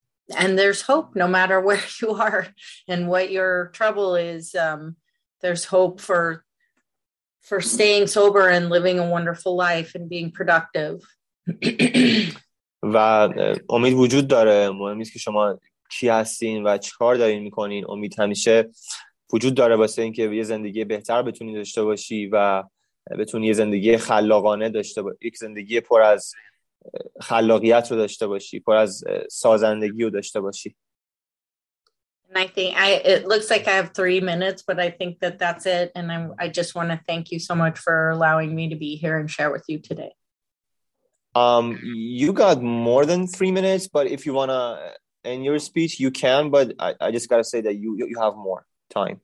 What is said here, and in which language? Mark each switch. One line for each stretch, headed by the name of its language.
English: And there's hope no matter where you are and what your trouble is. There's hope for staying sober and living a wonderful life and being productive.
Persian: و امید وجود داره. مهم نیست که شما کی هستین و چیکار دارین میکنین، امید همیشه وجود داره واسه اینکه یه زندگی بهتر بتونی داشته باشی و بتونی یه زندگی خلاقانه داشته باشی، یک زندگی پر از خلاقیت رو داشته باشی، پر از سازندگی رو داشته باشی.
English: It looks like I have 3 minutes, but I think that's it, and I just want to thank you so much for allowing me to be here and share with you today. You got more than 3 minutes, but if you wanna end your speech, you can. But I just gotta say that you have more time.